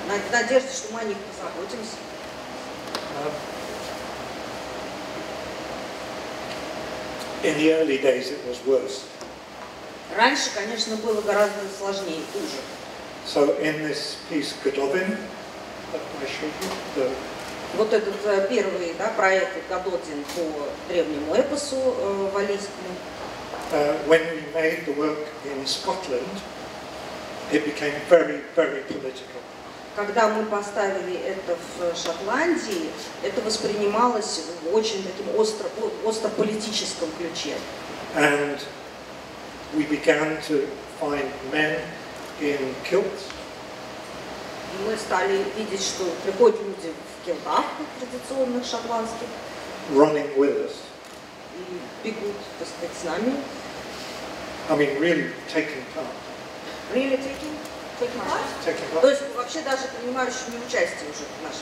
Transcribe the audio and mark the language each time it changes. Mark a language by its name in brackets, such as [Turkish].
[Russian] Надеюсь, что мы о них позаботимся. [English] In the early days it was worse. [Russian] Раньше, конечно, было гораздо сложнее и хуже. [English] So in this piece Godovin, that I showed you, the... [Russian] Вот этот первый, да, проект Godovin по древнему эпосу валийскому. [English] When we made the work in Scotland, it became very, very political. [Russian] Когда мы поставили это в Шотландии, это воспринималось в очень таким острополитическом ключе. [English] And we began to find men in kilts. [Russian] Мы стали видеть, что приходят люди в килтах традиционных шотландских. [English] Running with us. [Russian] И бегут, так сказать, с нами. [English] I mean, really taking part. Really taking part. [Russian] То есть вообще даже принимающие не участие уже в наших